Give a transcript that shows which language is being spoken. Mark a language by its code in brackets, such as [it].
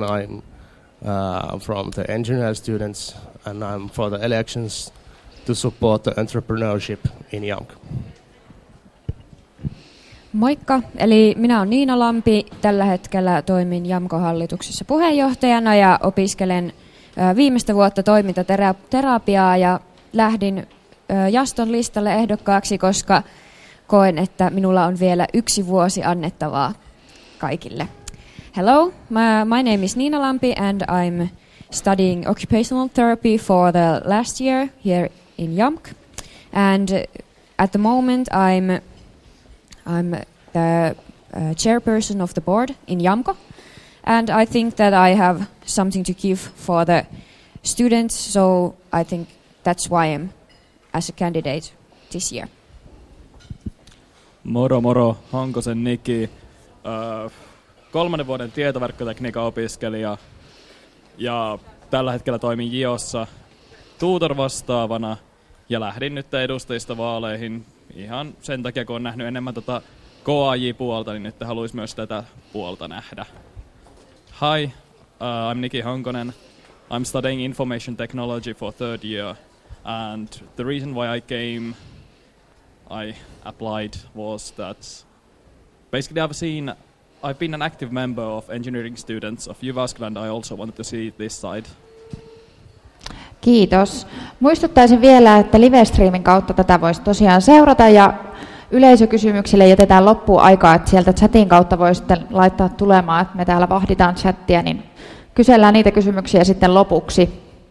[en] I'm from the engineering students and I'm for the elections to support the entrepreneurship in Jamk. [fi] Moikka, eli minä olen Niina Lampi. Tällä hetkellä toimin Jamkon hallituksessa puheenjohtajana ja opiskelen viimeistä vuotta toimintaterapiaa ja lähdin Jaston listalle ehdokkaaksi, koska koen, että minulla on vielä yksi vuosi annettavaa kaikille. [en] Hello, my name is Niina Lampi and I'm studying occupational therapy for the last year here in Jamk. And at the moment I'm the chairperson of the board in Jamko. And I think that I have something to give for the students, so I think that's why I'm as a candidate this year. [fi] Moro moro, Honkosen Niki. Kolmannen vuoden tietoverkkotekniikan opiskelija ja tällä hetkellä toimin JIOssa tutor vastaavana ja lähdin nyt edustajistovaaleihin ihan sen takia, kun olen nähnyt enemmän tuota KAJ-puolta, niin nyt haluaisin myös tätä puolta nähdä. [en] Hi, I'm Niki Honkonen. I'm studying information technology for third year. And the reason why I applied was that basically I've been an active member of engineering students of Jyväskylä and I also wanted to see this side. [fi] Kiitos. Muistuttaisin vielä, että livestreamin kautta tätä voisi tosiaan seurata ja yleisökysymyksille jätetään loppuun aikaa, että sieltä chatin kautta voi sitten laittaa tulemaan, että me täällä vahditaan chattia, niin kysellään niitä kysymyksiä sitten lopuksi.